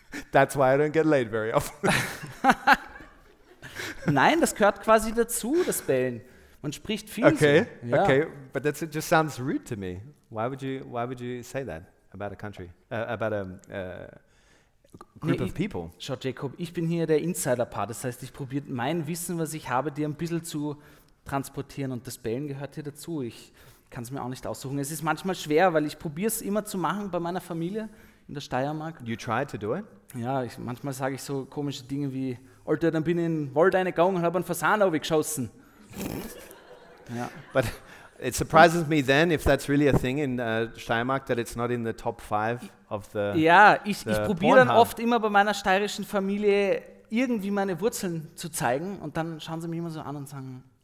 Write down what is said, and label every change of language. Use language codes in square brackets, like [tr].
[en] That's why I don't get laid very often. [de] Nein, das gehört quasi dazu, das Bellen. Man spricht viel okay, so. [en] Okay, ja. But that just sounds rude to me. Why would you say that about a country, about a group nee, of people? [de] Schau, Jacob, ich bin hier der Insider-Part. Das heißt, ich probiere mein Wissen, was ich habe, dir ein bisschen zu transportieren. Und das Bellen gehört hier dazu. Ich kann es mir auch nicht aussuchen. Es ist manchmal schwer, weil ich probiere es immer zu machen bei meiner Familie in der Steiermark. [en] You try to do it? [de] Ja, manchmal sage ich so komische Dinge wie, Alter, dann bin ich in Waldeine gegangen und habe einen Fasan aufgeschossen. Ja. [en] But it surprises me then, if that's really a thing in Steiermark, that it's not in the top five of the [de] Ja, ich probiere dann oft immer bei meiner steirischen Familie irgendwie meine Wurzeln zu zeigen und dann schauen sie mich immer so an und sagen...